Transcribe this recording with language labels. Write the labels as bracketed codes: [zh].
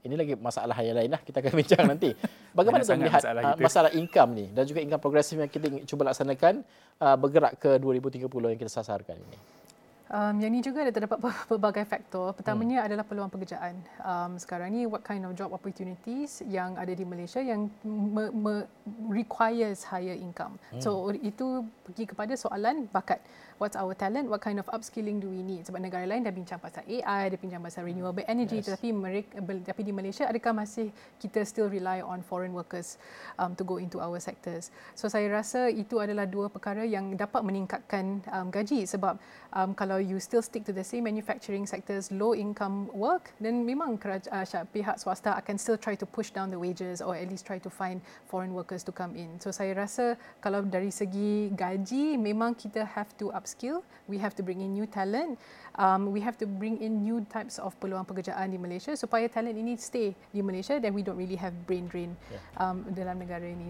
[ms] Ini lagi masalah yang lain, kita akan bincang nanti. Bagaimana kita melihat masalah income ni dan juga income progresif yang kita cuba laksanakan bergerak ke 2030 yang kita sasarkan ini? Yang ini juga ada terdapat pelbagai faktor. Pertamanya adalah peluang pekerjaan. Sekarang ini, [en] what kind of job opportunities [ms] yang ada di Malaysia yang [en] requires higher income. [ms] So, itu pergi kepada soalan bakat. [en] What's our talent? What kind of upskilling do we need? [ms] Sebab negara lain dah bincang pasal [en] AI, dah bincang pasal renewable energy. Yes. [ms] Tetapi tapi di Malaysia, adakah masih kita [en] still rely on foreign workers to go into our sectors? [ms] So, saya rasa itu adalah dua perkara yang dapat meningkatkan gaji. Sebab kalau [en] you still stick to the same manufacturing sectors, low income work, then [ms] memang pihak swasta akan [en] still try to push down the wages or at least try to find foreign workers to come in. [ms] So saya rasa kalau dari segi gaji, memang kita [en] have to upskill, we have to bring in new talent, we have to bring in new types of [ms] peluang pekerjaan di Malaysia supaya [en] talent ini stay di Malaysia, then we don't really have brain drain [ms] dalam negara ini.